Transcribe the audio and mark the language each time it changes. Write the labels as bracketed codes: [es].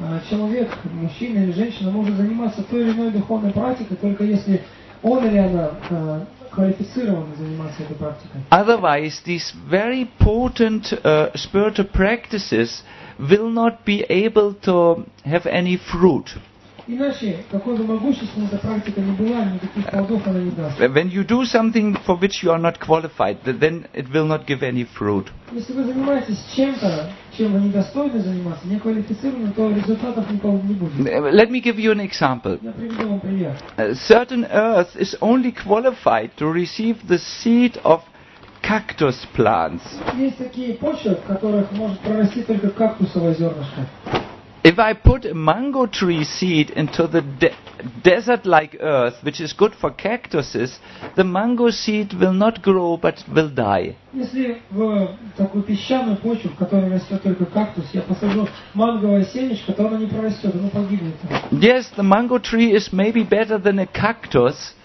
[ru] Человек, мужчина или женщина, может заниматься той или иной духовной практикой, только если он или она квалифицирован заниматься этой практикой. [en] Otherwise, these very potent spiritual practices will not be able to have any fruit. [ru] Иначе, какой бы могущественной эта практика ни была, никаких плодов она не даст. [en] When you do something for which you are not qualified, then it will not give any fruit. [ru] Если вы занимаетесь чем-то, чем вы недостойны заниматься, не квалифицированы, то результатов никого не будет. [en] Let me give you an example. [ru] Я приведу вам пример. [en] Certain earth is only qualified to receive the seed of cactus plants. [ru] Есть такие почвы, в которых может прорасти только кактусовое зернышко. [en] If I put a mango tree seed into the desert-like earth, which is good for cactuses, the mango seed will not grow but will die. [ru] Если в такую песчаную почву, в которой растет только кактус, я посажу манговое семечко, то оно не прорастет, оно погибнет. [en] Yes, the mango tree is maybe better than a cactus.